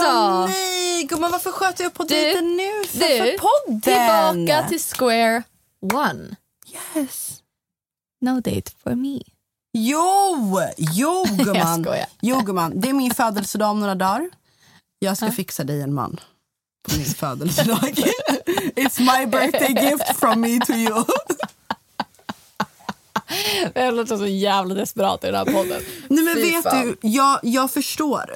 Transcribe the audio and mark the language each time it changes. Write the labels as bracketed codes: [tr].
[sv] God, nej, men varför sköt jag på dejten nu? För podden? Tillbaka till [en] square one. Yes. No date for me. [sv] Jo, gumman. Jo, gumman. Det är min födelsedag om några dagar. Jag ska fixa dig en man. På min födelsedag. [en] It's my birthday gift from me to you. [sv] Jag låter så jävla desperat i den här podden. Nej, men vet fan. Du, jag förstår.